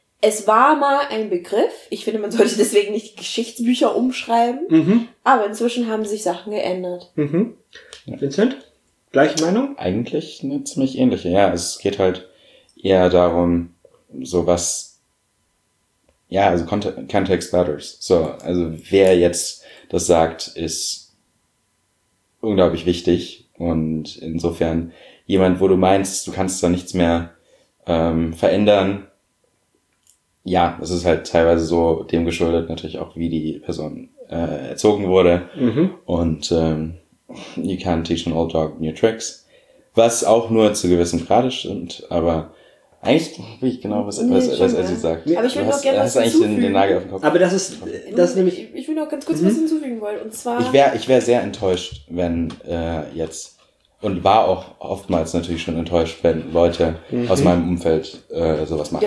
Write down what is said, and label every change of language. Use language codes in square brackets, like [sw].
[de] Es war mal ein Begriff. Ich finde, man sollte deswegen nicht Geschichtsbücher umschreiben. Mhm. Aber inzwischen haben sich Sachen geändert. Mhm. Vincent, gleiche Meinung? Eigentlich eine ziemlich ähnliche. Ja, es geht halt eher darum, so was... Ja, also [en] Context matters. [de] So, also wer jetzt das sagt, ist unglaublich wichtig. Und insofern jemand, wo du meinst, du kannst da nichts mehr verändern... Ja, das ist halt teilweise so dem geschuldet, natürlich auch, wie die Person erzogen wurde. Mhm. Und [en] you can't teach an old dog new tricks. [de] Was auch nur zu gewissem Grade stimmt, aber eigentlich wie ich genau, was er sagt. Aber ich würde noch gerne was hinzufügen. Hast den Nagel auf den Kopf. Aber das ist, nämlich... Ich würde noch ganz kurz, mhm, was hinzufügen wollen, und zwar... Ich wär sehr enttäuscht, wenn jetzt... Und war auch oftmals natürlich schon enttäuscht, wenn Leute, mhm, aus meinem Umfeld sowas machen.